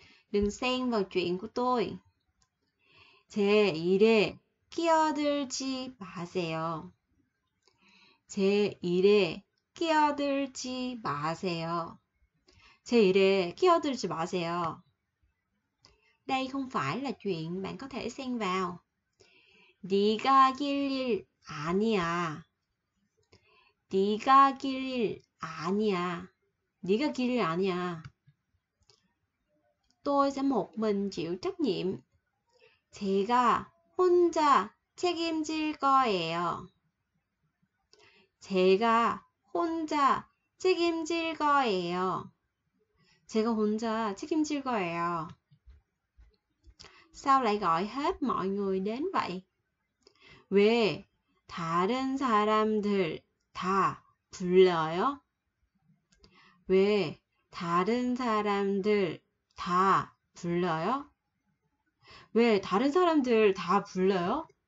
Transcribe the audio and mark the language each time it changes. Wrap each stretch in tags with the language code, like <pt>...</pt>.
<vi>Đừng xen vào chuyện của tôi.</vi> <ko>제 일에 끼어들지 마세요. 제 일에 끼어들지 마세요. 제 일에 끼어들지 마세요.</ko> <vi>Đây không phải là chuyện bạn có thể xen vào.</vi> <ko>네가 길 일 아니야. 네가 길 일 아니야. 네가 길 일 아니야.</ko> <vi>Tôi sẽ một mình chịu trách nhiệm.</vi> <ko>제가 혼자 책임질 거예요. 제가 혼자 책임질 거예요. 제가 혼자 책임질 거예요.</ko> <vi>Sao lại gọi hết mọi người đến vậy?</vi> <ko>왜 다른 사람들 다 불러요? 왜 다른 사람들 다 불러요? 왜 다른 사람들 다 불러요?</ko>